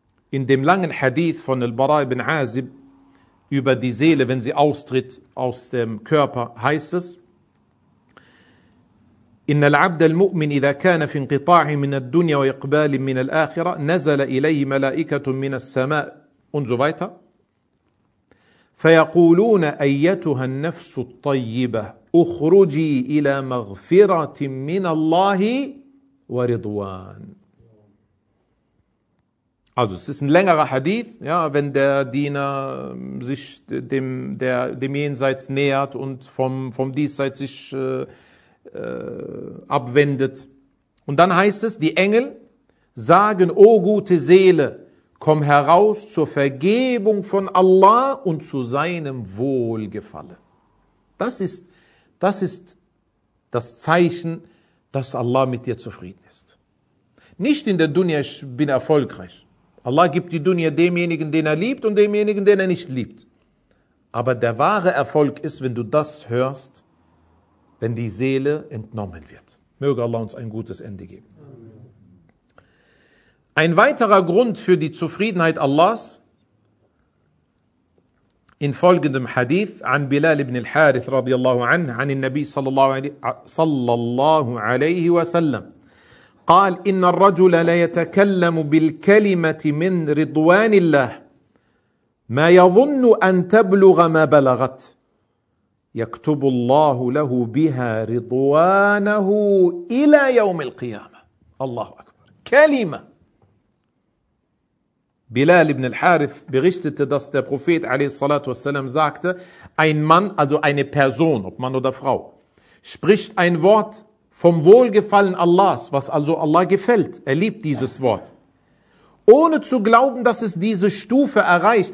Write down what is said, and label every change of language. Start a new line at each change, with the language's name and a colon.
German: In dem langen Hadith von Al-Bara ibn Azib über die Seele, wenn sie austritt aus dem Körper, heißt es:
Arabic: إن العبد المؤمن إذا كان في انقطاع من الدنيا وإقبال من الآخرة نزل إليه ملائكة من السماء
German: und so weiter.
Arabic: فيقولون أيتها النفس الطيبة أخرجي إلى مغفرة من الله ورضوان.
German: Also es ist ein längerer Hadith, ja, wenn der Diener sich dem Jenseits nähert und vom Diesseits sich abwendet. Und dann heißt es, die Engel sagen, o gute Seele, komm heraus zur Vergebung von Allah und zu seinem Wohlgefallen. Das ist das Zeichen, dass Allah mit dir zufrieden ist. Nicht in der Dunya, ich bin erfolgreich. Allah gibt die Dunya demjenigen, den er liebt und demjenigen, den er nicht liebt. Aber der wahre Erfolg ist, wenn du das hörst, wenn die Seele entnommen wird. Möge Allah uns ein gutes Ende geben. Ein weiterer Grund für die Zufriedenheit Allahs, in folgendem Hadith,
Arabic: an Bilal ibn al-Harith radiyallahu anhu, an Nabi sallallahu alayhi wa sallam, قال إن الرجل لا يتكلم بالكلمة من رضوان الله ما يظن أن تبلغ ما بلغت يكتب الله له بها رضوانه إلى يوم القيامة. الله أكبر. كلمة.
German: Bilal ibn al-Harith berichtete, dass der Prophet
Arabic: عليه الصلاة والسلام
German: sagte, ein Mann, also eine Person, ob Mann oder Frau, spricht ein Wort vom Wohlgefallen Allahs, was also Allah gefällt. Er liebt dieses Wort. Ohne zu glauben, dass es diese Stufe erreicht.